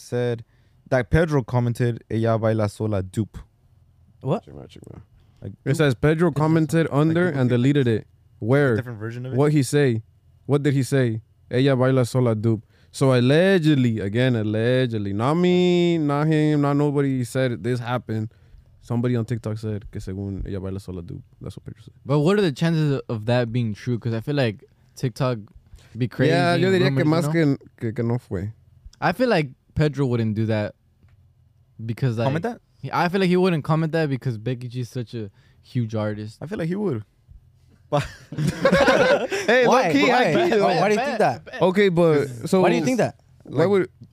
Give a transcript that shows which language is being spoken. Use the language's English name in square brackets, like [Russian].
[English] Said that Pedro commented, ella baila sola dupe. What? It says, Pedro commented under like, and deleted it. Where? A different version of it? What he say? What did he say? Ella baila sola dupe. So allegedly, not me, not him, not nobody said this happened. Somebody on TikTok said, [Spanish] que según [English] ella baila sola dupe. That's what Pedro said. But what are the chances of that being true? Because I feel like TikTok... be crazy. [Spanish] Yeah, yo diría que más que no fue. [English] I feel like Pedro wouldn't do that because like, comment that? I feel like he wouldn't comment that because Becky G is such a huge artist. I feel like he would. Hey, why? Low-key, why? Why? Why? Why do you think that? Okay, but so why do you think that? Why would